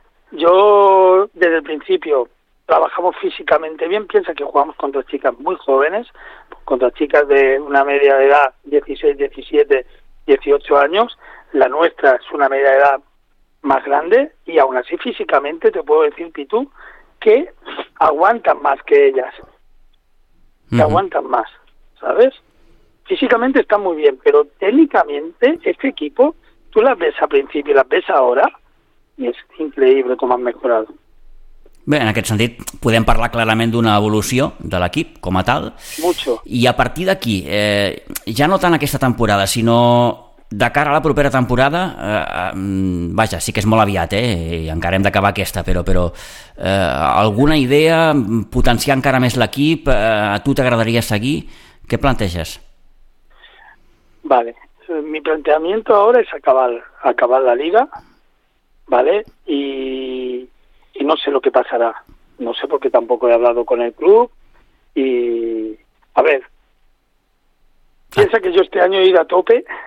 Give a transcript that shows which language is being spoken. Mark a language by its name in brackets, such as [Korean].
[Spanish] Yo desde el principio trabajamos físicamente bien, piensa que jugamos contra chicas muy jóvenes, contra chicas de una media de edad, 16, 17, 18 años, la nuestra es una media edad más grande y aún así físicamente te puedo decir, Pitu, que aguantan más que ellas. Uh-huh. Que aguantan más, ¿sabes? Físicamente están muy bien, pero técnicamente este equipo, tú las ves al principio y las ves ahora y es increíble cómo han mejorado. [Catalan] Bé, en aquest sentit, podem parlar clarament d'una evolució de l'equip com a tal. [Spanish] Mucho. [Catalan] I a partir d'aquí, ja no tant aquesta temporada, sinó de cara a la propera temporada, vaja, sí que és molt aviat, i encara hem d'acabar aquesta, però alguna idea, potenciar encara més l'equip, a tu t'agradaria seguir? Què planteges? [Spanish] Vale, mi planteamiento ahora es acabar la liga, vale, y no sé lo que pasará, no sé porque tampoco he hablado con el club y a ver, piensa que yo este año he ido a tope